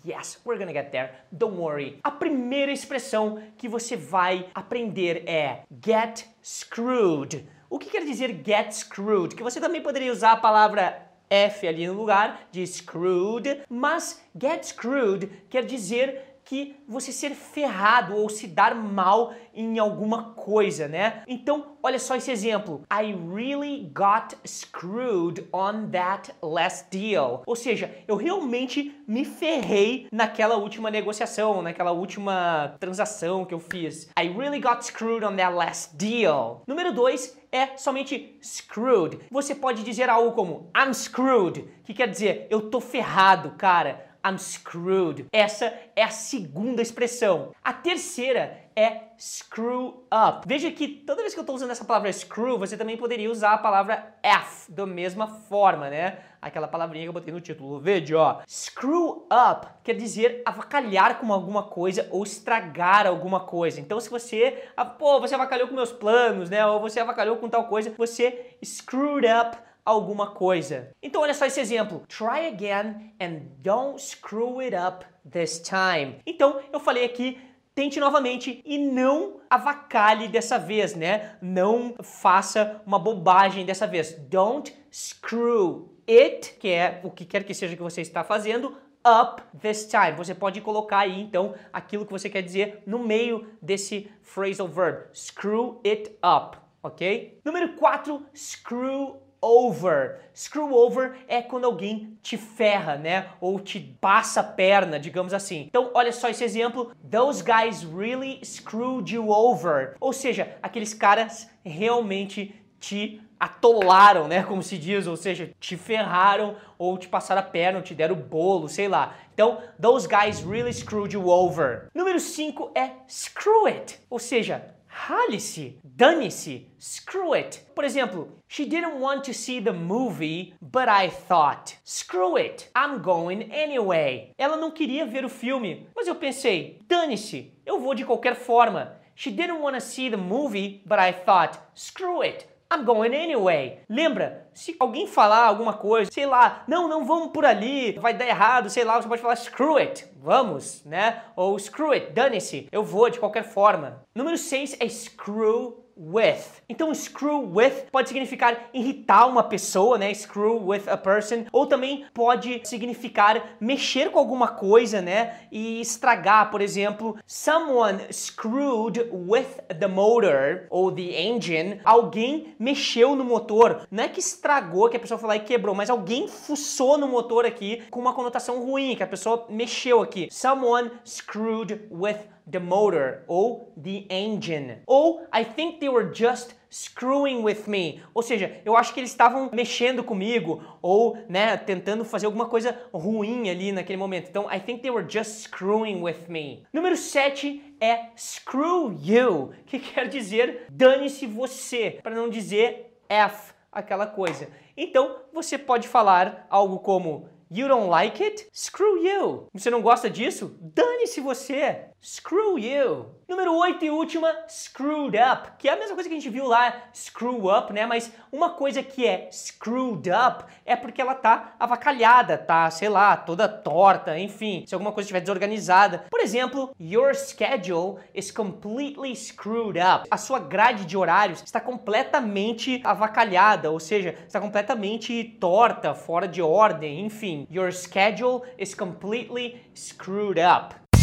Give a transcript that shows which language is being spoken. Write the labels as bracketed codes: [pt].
[en] Yes, we're gonna get there, don't worry. [pt] A primeira expressão que você vai aprender é get screwed. O que quer dizer get screwed? Que você também poderia usar a palavra F ali no lugar de screwed, mas get screwed quer dizer que você ser ferrado ou se dar mal em alguma coisa, né? Então, olha só esse exemplo. [en] I really got screwed on that last deal. [pt] Ou seja, eu realmente me ferrei naquela última negociação, naquela última transação que eu fiz. [en] I really got screwed on that last deal. [pt] Número 2 é somente screwed. Você pode dizer algo como [en] I'm screwed, [pt] que quer dizer eu tô ferrado, cara. [en] I'm screwed. [pt] Essa é a segunda expressão. A terceira é screw up. Veja que toda vez que eu tô usando essa palavra screw, você também poderia usar a palavra F, da mesma forma, né? Aquela palavrinha que eu botei no título do vídeo, ó. Screw up quer dizer avacalhar com alguma coisa ou estragar alguma coisa. Então se você, pô, você avacalhou com meus planos, né? Ou você avacalhou com tal coisa, você screwed up alguma coisa. Então olha só esse exemplo. [en] Try again and don't screw it up this time. [pt] Então eu falei aqui, tente novamente e não avacalhe dessa vez, né? Não faça uma bobagem dessa vez. [en] Don't screw it, [pt] que é o que quer que seja que você está fazendo, [en] up this time. [pt] Você pode colocar aí então aquilo que você quer dizer no meio desse phrasal verb. [en] Screw it up, ok? [pt] Número 4, [en] screw over. [pt] Screw over é quando alguém te ferra, né? Ou te passa a perna, digamos assim. Então, olha só esse exemplo. [en] Those guys really screwed you over. [pt] Ou seja, aqueles caras realmente te atolaram, né? Como se diz, ou seja, te ferraram ou te passaram a perna, ou te deram bolo, sei lá. [en] Então, those guys really screwed you over. [pt] Número 5 é [en] screw it. [pt] Ou seja, rale-se, dane-se, screw it. Por exemplo, [en] she didn't want to see the movie, but I thought, screw it, I'm going anyway. [pt] Ela não queria ver o filme, mas eu pensei, dane-se, eu vou de qualquer forma. [en] She didn't want to see the movie, but I thought, screw it, I'm going anyway. [pt] Lembra, se alguém falar alguma coisa, sei lá, não, não vamos por ali, vai dar errado, sei lá, você pode falar screw it, vamos, né? Ou screw it, dane-se, eu vou de qualquer forma. Número 6 é screw with. Então screw with pode significar irritar uma pessoa, né? [en] Screw with a person. [pt] Ou também pode significar mexer com alguma coisa, né? E estragar, por exemplo, [en] someone screwed with the motor [pt] ou the engine. Alguém mexeu no motor. Não é que estragou, que a pessoa foi lá e quebrou, mas alguém fuçou no motor aqui com uma conotação ruim, que a pessoa mexeu aqui. [en] Someone screwed with the motor ou the engine. Ou I think they were just screwing with me. [pt] Ou seja, eu acho que eles estavam mexendo comigo ou, né, tentando fazer alguma coisa ruim ali naquele momento. [en] Então, I think they were just screwing with me. [pt] Número 7 é screw you, que quer dizer dane-se você, para não dizer F, aquela coisa. Então, você pode falar algo como [en] you don't like it? Screw you. [pt] Você não gosta disso? Dane-se você. [en] Screw you. [pt] Número 8 e última, screwed up. Que é a mesma coisa que a gente viu lá, screw up, né? Mas uma coisa que é screwed up é porque ela tá avacalhada, tá, sei lá, toda torta, enfim. Se alguma coisa estiver desorganizada. Por exemplo, [en] your schedule is completely screwed up. [pt] A sua grade de horários está completamente avacalhada, ou seja, está completamente torta, fora de ordem, enfim. [en] Your schedule is completely screwed up.